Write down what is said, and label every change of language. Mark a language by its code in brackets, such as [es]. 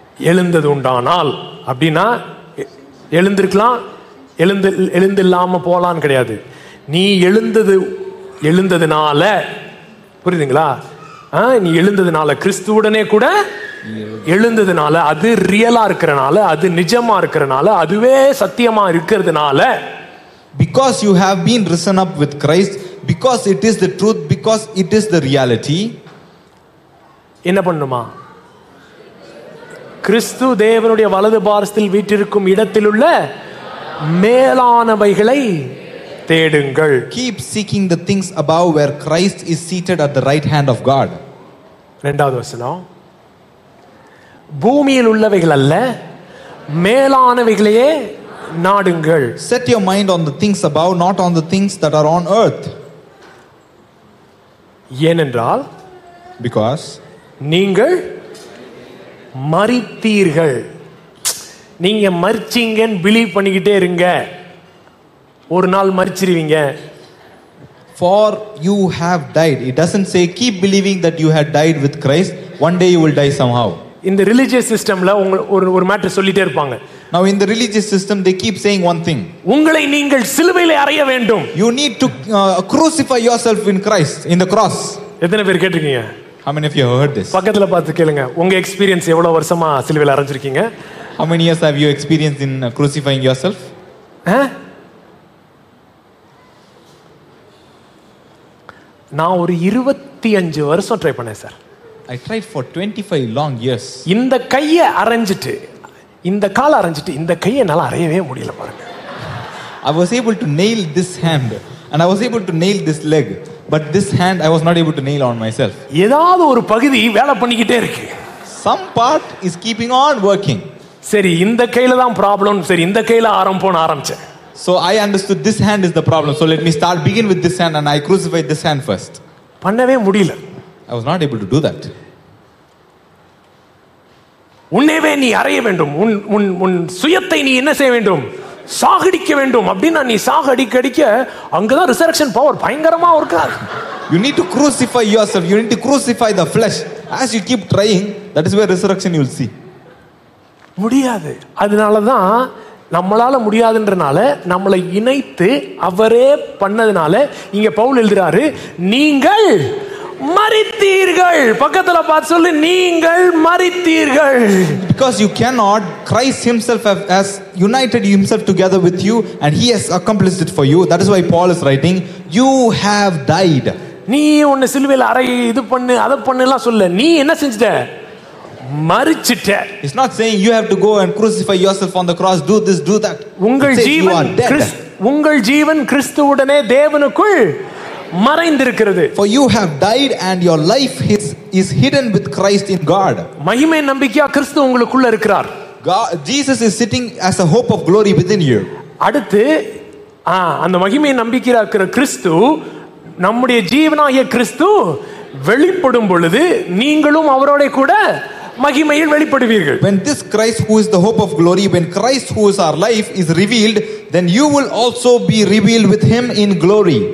[ta] எழுந்தது உண்டானால் அப்படின்னா எழுந்திருக்கலாம், எழுந்து இல்லாம போலான்னு கிடையாது. நீ எழுந்ததுனால, புரியுதுங்களா? நீ எழுந்ததுனால, கிறிஸ்துவுடனே கூட எழுந்ததுனால, அது ரியலா இருக்கிறனால, அது நிஜமா இருக்கிறனால, அதுவே சத்தியமா இருக்கிறதுனால. [en] Because you have been risen up with Christ, because it is the truth, because it is the reality. [ta] என்ன பண்ணுமா? கிறிஸ்து தேவனுடைய வலது பாரத்தில் வீற்றிருக்கும் இடத்தில் உள்ள மேலானவைகளை தேடுங்கள். [en] Keep seeking the things above where Christ is seated at the right hand of God. [ta] இரண்டாவது வசனம், பூமியில் உள்ளவைகள் அல்ல மேலானவைகளையே நாடுங்கள். [en] Set your mind on the things above, not on the things that are on earth. [ta] ஏனென்றால், [en] because [ta] நீங்கள் மறித்தீர்கள். நீங்க மறிச்சீங்கன்னு believe பண்ணிக்கிட்டே இருங்க, ஒரு நாள் மறிச்சிருவீங்க. [en] For you have died. It doesn't say keep believing that you had died with Christ. One day you will die somehow. In the religious system [ta] la ஒரு matter சொல்லிட்டே இருப்பாங்க. [en] Now in the religious system they keep saying one thing. [ta] உங்களை நீங்கள் சிலுவையில் அறைய வேண்டும். [en] You need to crucify yourself in Christ, in the cross. [ta] எத்தனை பேர் கேட்டிருக்கீங்க? [en] How many of you have heard this? [ta] பக்கத்துல பார்த்து கேளுங்க, உங்க எக்ஸ்பீரியன்ஸ் எவ்வளவு வருஷமா சிலுவையில் அறைஞ்சிருக்கீங்க? [en] How many years have you experienced in crucifying yourself? [ta] நான் ஒரு 25 வருஷம் ட்ரை பண்ணேன் [en] Sir. I tried for 25 long years. [ta] இந்த கையை அறைஞ்சிட்டு, இந்த கால் அறைஞ்சிட்டு, இந்த கையை என்னால அறையவே முடியல பாருங்க. [en] I was able to nail this hand and I was able to nail this leg. But this hand, I was not able to nail on myself. [ta] ஏதாவது ஒரு பகுதி வேலை பண்ணிக்கிட்டே இருக்கு. [en] Some part is keeping on working. [ta] சரி, இந்த கையில தான் ப்ராப்ளம். சரி, இந்த கையில ஆரம்பிப்போம்னு ஆரம்பிச்சேன். [en] So I understood this hand is the problem. So let me start, begin with this hand and I crucify this hand first. [ta] பண்ணவே முடியல. [en] I was not able to do that. [ta] உன்னைவே நீ அறைய வேண்டும். உன் சுயத்தை நீ என்ன செய்ய வேண்டும்? சாகடிக்க வேண்டும் அப்படின்னு. நீ சாகடிக்க அடிக்க அங்கதான் [en] resurrection power [ta] பயங்கரமா இருக்கா. [en] You need to crucify yourself. You need to crucify the flesh. As you keep trying, that is where resurrection you will see. [ta] முடியாது. அதனாலதான் நம்மளால முடியாதுன்றனால நம்மளை இணைத்து அவரே பண்ணதுனால இங்க பவுல் எழுதுறாரு, நீங்கள் மரித்தீர்கள். பக்கத்துல பார்த்து சொல்லு, நீங்கள் மரித்தீர்கள். [en] Because you cannot, Christ himself has united himself together with you and he has accomplished it for you. That is why Paul is writing, you have died. [ta] நீ உன்ன சிலுவையில அறை இது பண்ணு அத பண்ணலாம் சொல்ல, நீ என்ன செஞ்சிட்ட? மரிச்சிட்ட. [en] It's not saying you have to go and crucify yourself on the cross, do this, do that. [ta] உங்கள் ஜீவன் உங்கள் ஜீவன் கிறிஸ்துவுடனே தேவனுக்குள் மறைந்திருக்கிறது. [en] For you have died and your life is hidden with Christ in God. [ta] மகிமை நம்பிக்கையா கிறிஸ்து உங்களுக்குள்ள இருக்கிறார். [en] Jesus is sitting as a hope of glory within you. [ta] அடுத்து அந்த மகிமை நம்பிக்கையாக்கிற கிறிஸ்து நம்முடைய ஜீவனாகிய கிறிஸ்து வெளிப்படும் பொழுது நீங்களும் அவரோட கூட மகிமையில் வெளிப்படுவீர்கள். [en] When this Christ who is the hope of glory, when Christ who is our life is revealed, then you will also be revealed with him in glory.